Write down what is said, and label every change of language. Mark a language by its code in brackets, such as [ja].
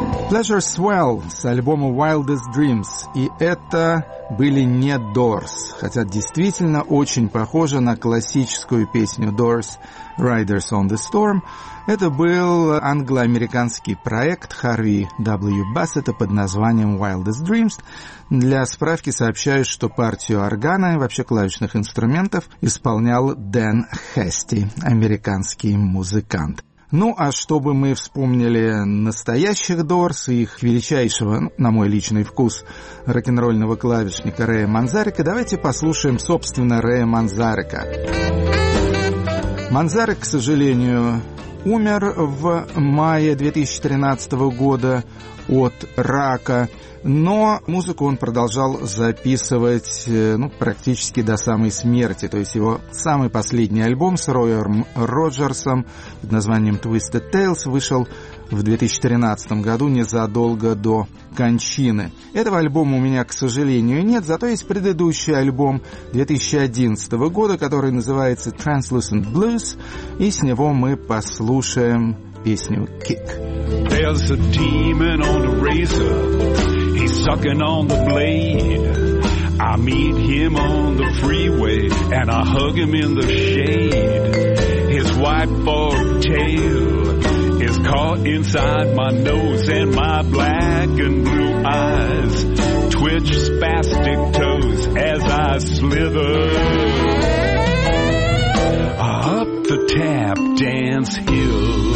[ru] Pleasure Swell с альбома Wildest Dreams. И это были не Doors, хотя действительно очень похоже на классическую песню Doors, Riders on the Storm. Это был англо-американский проект Harvey W. Bassett под названием Wildest Dreams. Для справки сообщаю, что партию органа и вообще клавишных инструментов исполнял Дэн Хэсти, американский музыкант. Ну, а чтобы мы вспомнили настоящих Doors и их величайшего, на мой личный вкус, рок-н-ролльного клавишника Рэя Манзарека, давайте послушаем, собственно, Рэя Манзарека. Манзарек, к сожалению, умер в мае 2013 года от рака, но музыку он продолжал записывать, ну, практически до самой смерти. То есть его самый последний альбом с Роем Роджерсом под названием «Twisted Tales» вышел в 2013 году, незадолго до кончины. Этого альбома у меня, к сожалению, нет, зато есть предыдущий альбом 2011 года, который называется «Translucent Blues», и с него мы послушаем песню «Kick». [en] There's a demon on the razor, he's sucking on the blade. I meet him on the freeway and I hug him in the shade. His white fork tail is caught inside my nose, and my black and blue eyes twitch spastic toes as I slither up the tap dance hill.